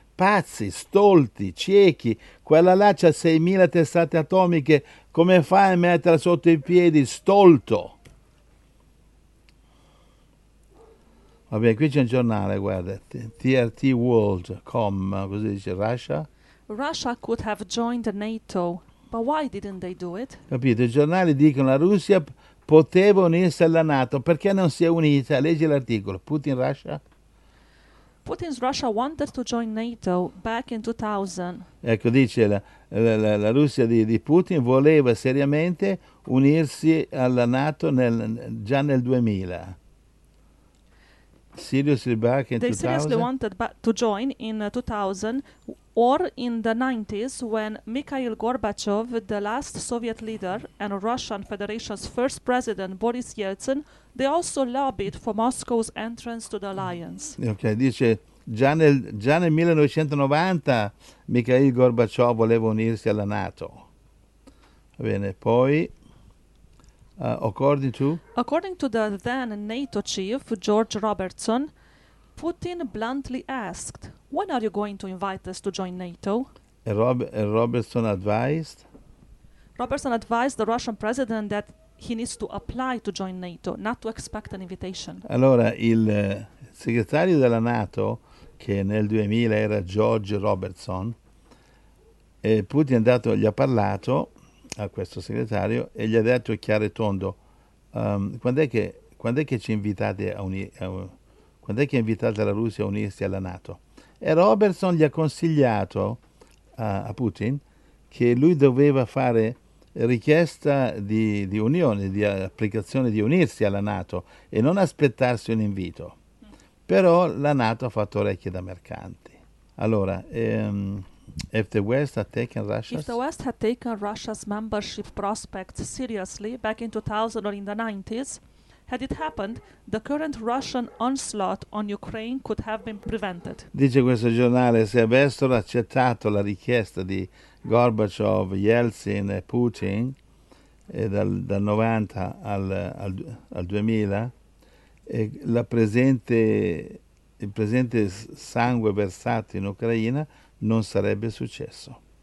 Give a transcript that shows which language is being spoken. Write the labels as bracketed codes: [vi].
[it] Pazzi, stolti, ciechi. Quella là c'ha 6.000 testate atomiche, come fai a metterla sotto i piedi, stolto? Vabbè, qui c'è un giornale, guarda, trtworld.com, così dice Russia. [en] Russia could have joined NATO, but why didn't they do it? [it] Capito? I giornali dicono la Russia poteva unirsi alla NATO, perché non si è unita? Leggi l'articolo, Putin, Russia. Ecco, [en] Putin's Russia wanted to join NATO back in 2000. [it] dice la Russia di Putin voleva seriamente unirsi alla NATO già nel 2000. [en] Seriously back in They seriously 2000? wanted ba to join in 2000 or in the 90s when Mikhail Gorbachev, the last Soviet leader and Russian Federation's first president Boris Yeltsin, they also lobbied for Moscow's entrance to the alliance. [it] Ok, dice già nel 1990 Mikhail Gorbaciov voleva unirsi alla NATO. Va bene, poi [en] according to According to the then NATO chief, George Robertson, Putin bluntly asked, "When are you going to invite us to join NATO?" Robertson advised. Robertson advised the Russian president that he needs to apply to join NATO, not to expect an invitation. [it] Allora, il segretario della NATO, che nel 2000 era George Robertson, Putin gli ha parlato a questo segretario e gli ha detto chiaro e tondo, quando è che ci invitate a quando è che invitate la Russia a unirsi alla NATO? E Robertson gli ha consigliato a Putin che lui doveva fare richiesta di unione, di applicazione di unirsi alla NATO e non aspettarsi un invito. Però la NATO ha fatto orecchie da mercanti. Allora, [en] if the West had taken If the Russia's... West had taken Russia's membership prospects seriously back in 2000 or in the 90s, had it happened, the current Russian onslaught on Ukraine could have been prevented. [it] Dice questo giornale, se avessero accettato la richiesta di Gorbaciov, Yeltsin e Putin dal 90 al 2000, il presente sangue versato in Ucraina non sarebbe successo.